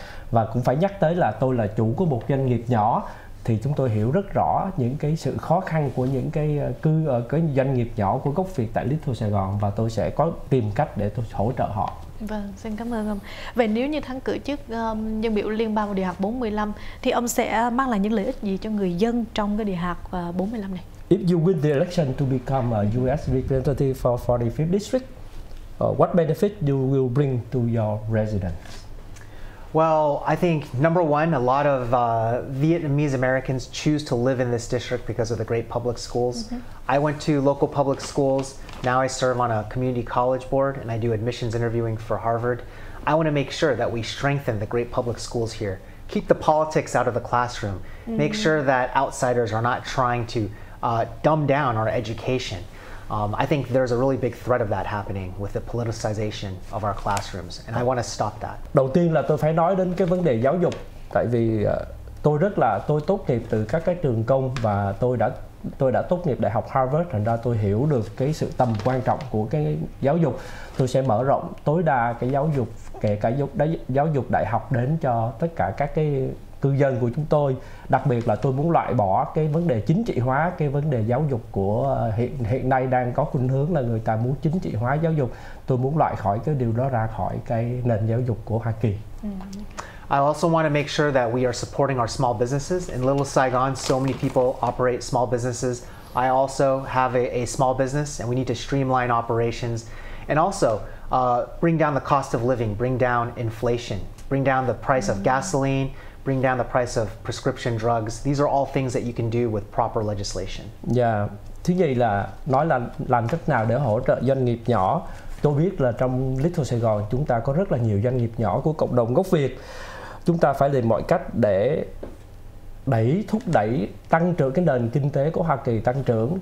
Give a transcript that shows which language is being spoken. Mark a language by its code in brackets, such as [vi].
[vi] Và cũng phải nhắc tới là tôi là chủ của một doanh nghiệp nhỏ, thì chúng tôi hiểu rất rõ những cái sự khó khăn của những cái cái doanh nghiệp nhỏ của gốc Việt tại Little Sài Gòn, và tôi sẽ có tìm cách để tôi hỗ trợ họ. Vâng, xin cảm ơn ông. Vậy nếu như thắng cử chức dân biểu liên bang địa hạt 45 thì ông sẽ mang lại những lợi ích gì cho người dân trong cái địa hạt 45 này? [en] If you win the election to become a US representative for 45th district, what benefit you will bring to your residents? Well, I think number one, a lot of Vietnamese Americans choose to live in this district because of the great public schools. Mm-hmm. I went to local public schools. Now I serve on a community college board and I do admissions interviewing for Harvard. I want to make sure that we strengthen the great public schools here. Keep the politics out of the classroom. Mm-hmm. Make sure that outsiders are not trying to dumb down our education. I think there's a really big threat of that happening with the politicization of our classrooms, and I want to stop that. [vi] Đầu tiên là tôi phải nói đến cái vấn đề giáo dục, tại vì tôi tốt nghiệp từ các cái trường công, và tôi đã tốt nghiệp đại học Harvard, thành ra tôi hiểu được cái sự tầm quan trọng của cái giáo dục. Tôi sẽ mở rộng tối đa cái giáo dục, kể cả giáo dục đại học đến cho tất cả các cái cư dân của chúng tôi. Đặc biệt là tôi muốn loại bỏ cái vấn đề chính trị hóa cái vấn đề giáo dục của hiện nay đang có khuynh hướng là người ta muốn chính trị hóa giáo dục. Tôi muốn loại khỏi cái điều đó ra khỏi cái nền giáo dục của Hoa Kỳ. [en] I also want to make sure that we are supporting our small businesses. In Little Saigon, so many people operate small businesses. I also have a small business and we need to streamline operations and also bring down the cost of living, bring down inflation, bring down the price of gasoline, bring down the price of prescription drugs. These are all things that you can do with proper legislation. Yeah. [vi] Thứ nhì là nói là làm cách nào để hỗ trợ doanh nghiệp nhỏ. Tôi biết là trong Little Sài Gòn chúng ta có rất là nhiều doanh nghiệp nhỏ của cộng đồng gốc Việt. Chúng ta phải tìm mọi cách để thúc đẩy tăng trưởng cái nền kinh tế của Hoa Kỳ tăng trưởng.